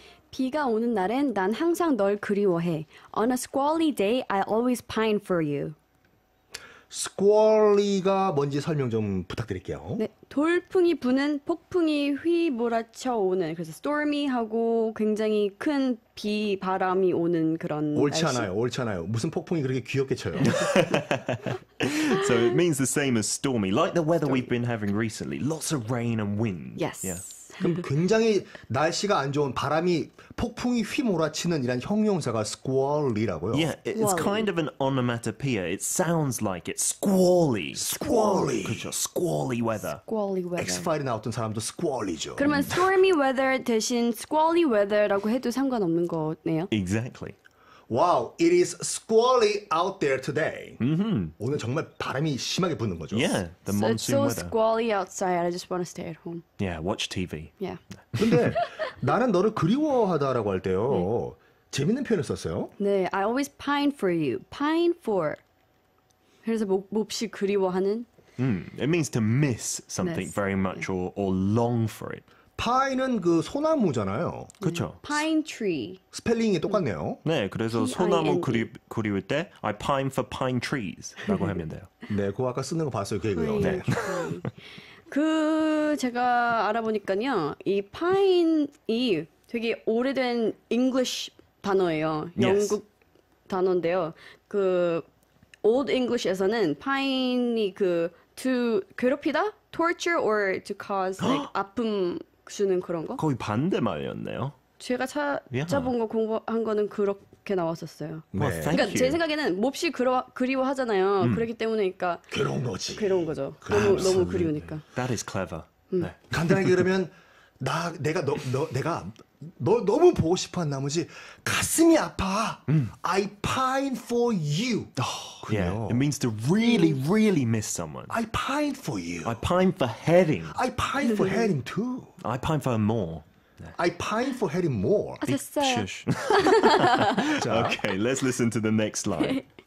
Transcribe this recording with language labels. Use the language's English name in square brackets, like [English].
[Korean] 비가 오는 날엔 난 항상 널 그리워해. [English] On a squally day, I always pine for you. [Korean] Squally가 뭔지 설명 좀 부탁드릴게요. 네, 돌풍이 부는 폭풍이 휘몰아쳐 오는 그래서 stormy하고 굉장히 큰 비 바람이 오는 그런 옳지 않아요. 옳지 않아요. 무슨 폭풍이 그렇게 귀엽게 쳐요? [English] So it means the same as stormy, like the weather we've been having recently. Lots of rain and wind. Yes. Yeah. [Korean] 그럼 굉장히 날씨가 안 좋은 바람이 폭풍이 휘몰아치는 이런 형용사가 squally라고요. [English] Yeah, it's kind of an onomatopoeia. It sounds like it. Squally. Squally. [Korean] 그렇죠. [English] Squally weather. Squally weather. [Korean] X-File에 나왔던 사람도 squally죠. 그러면 stormy weather 대신 squally weather라고 해도 상관없는 거네요. [English] Exactly. Wow, it is squally out there today. Mm-hmm. [Korean] 오늘 정말 바람이 심하게 부는 거죠. [English] Yeah, the monsoon weather. It's so squally outside. I just want to stay at home. Yeah, watch TV. Yeah. [Korean] 근데 나는 너를 그리워하다라고 할 때요. 네. 재밌는 표현을 썼어요. [English] 네, I always pine for you. Pine for. [Korean] 그래서 몹시 그리워하는. [English] It means to miss something very much or long for it. [Korean] Pine은 그 소나무잖아요. 그렇죠. [English] Pine tree. [Korean] 스펠링이 똑같네요. 네, 그래서 P-I-N-E. 소나무 그리울 때 [English] I pine for pine trees [Korean] 라고 하면 돼요. 네, 그거 아까 쓰는 거 봤어요. 그게요. 네. 그 제가 알아보니까요. 이 pine이 되게 오래된 English 단어예요. 영국 단어인데요. 그 Old English에서는 pine이 그 to 괴롭히다? [English] torture or to cause like [Korean] 아픔 주는 그런 거? 거의 반대 말이었네요. 제가 찾아본 거 공부한 거는 그렇게 나왔었어요. 네. 그러니까 제 생각에는 몹시 그리워하잖아요. 그렇기 때문에 그러니까 괴로운 거지. 괴로운 거죠. 너무 너무 그리우니까. [English] That is clever. 네. [Korean] 간단하게 그러면 내가 너 너무 보고 싶어한 나머지 가슴이 아파. [English] I pine for you. [Korean] 어, 그래요. [English] Yeah, it means to really, really miss someone. I pine for you. I pine for heading. I pine for heading too. I pine for more. I pine for heading more. [Korean] 아, 됐어요. [English] Shush. Okay, let's listen to the next line.